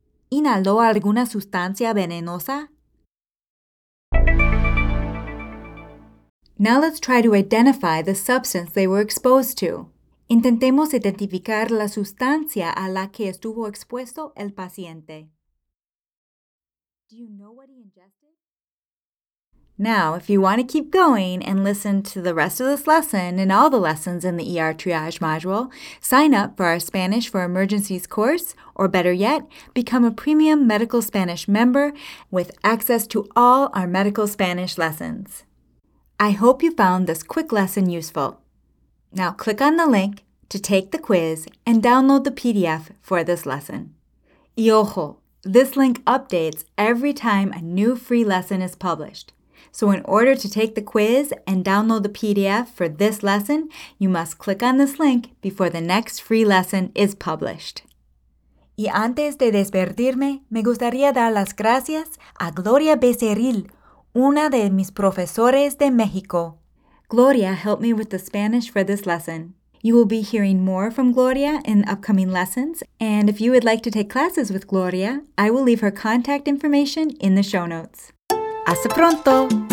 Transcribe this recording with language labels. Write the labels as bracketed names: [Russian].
[Spanish] ¿Inhaló alguna sustancia venenosa? [English] Now let's try to identify the substance they were exposed to. [Spanish] Intentemos identificar la sustancia a la que estuvo expuesto el paciente. [English] Do you know what he ingested? Now, if you want to keep going and listen to the rest of this lesson and all the lessons in the ER triage module, sign up for our Spanish for Emergencies course, or better yet, become a premium Medical Spanish member with access to all our Medical Spanish lessons. I hope you found this quick lesson useful. Now click on the link to take the quiz and download the PDF for this lesson. [Spanish] Y ojo, [English] this link updates every time a new free lesson is published. So in order to take the quiz and download the PDF for this lesson, you must click on this link before the next free lesson is published. [Spanish] Y antes de despedirme, me gustaría dar las gracias a Gloria Becerril, una de mis profesores de México. [English] Gloria helped me with the Spanish for this lesson. You will be hearing more from Gloria in upcoming lessons. And if you would like to take classes with Gloria, I will leave her contact information in the show notes. [Spanish] ¡Hasta pronto!